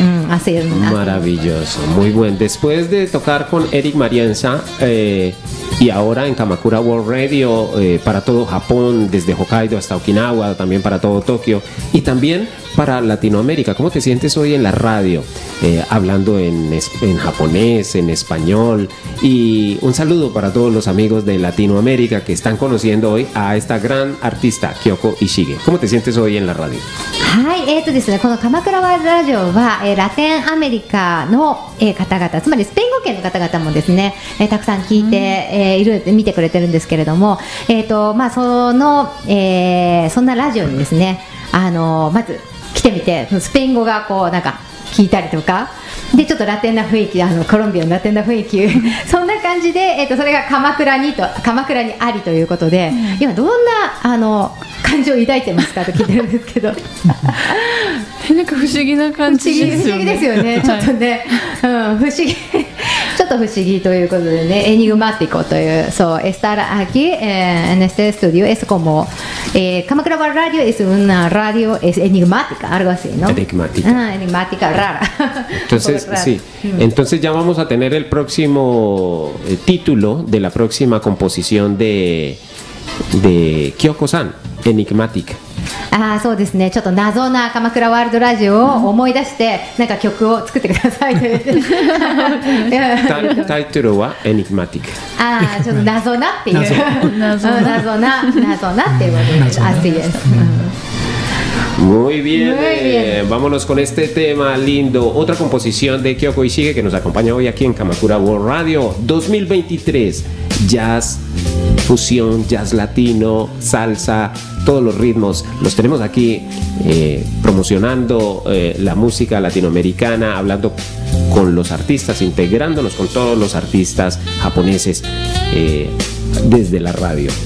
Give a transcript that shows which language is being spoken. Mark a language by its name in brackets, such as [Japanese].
[Spanish] Así, maravilloso, así. Muy bueno. Después de tocar con Eric Marienza, y ahora en Kamakura World Radio, para todo Japón, desde Hokkaido hasta Okinawa, también para todo Tokio y también para Latinoamérica, ¿cómo te sientes hoy en la radio, hablando en japonés, en español? Y un saludo para todos los amigos de Latinoamérica que están conociendo hoy a esta gran artista Kyoko Ishige. ¿Cómo te sientes hoy en la radio? [Japanese] Sí, この Kamakura World Radio は Latinoamérica の方々、つまりスペイン語圏の方々もですね、たくさん聞いて、見てくれてるんですけれども、まあ、その、そんなラジオにですね、まず来てみて、スペイン語がこうなんか聞いたりとかで、ちょっとラテンな雰囲気、コロンビアのラテンな雰囲気そんな感じで、それが鎌倉にありということで、今どんな感情を抱いてますかと聞いてるんですけどなんか不思議な感じですよね。不思議ですよね、ちょっとね、はい、不思議ちょっと不思議ということでね、エニグマティコという、そう、 [Spanish] estar aquí en este estudio es como鎌倉ワラディオ es una radio es enigmática algo así, ¿no? Enigmática. Ah, enigmática, rara. Entonces, sí. Entonces ya vamos a tener el próximo título de la próxima composición de Kyoko-san, Enigmatic. [Japanese] Ah, そうですね。ちょっと謎な鎌倉ワールドラジオを思い出して、なんか曲を作ってください。タイトルは Enigmatic。ああ、ちょっと謎なっていう。謎なっていうことです。 [Spanish] Así es。 Muy bien, vámonos con este tema lindo. Otra composición de Kyoko Ishige que nos acompaña hoy aquí en Kamakura World Radio 2023. Jazz, fusión, jazz latino, salsa, todos los ritmos. Los tenemos aquí promocionando la música latinoamericana, hablando con los artistas, integrándonos con todos los artistas japoneses desde la radio.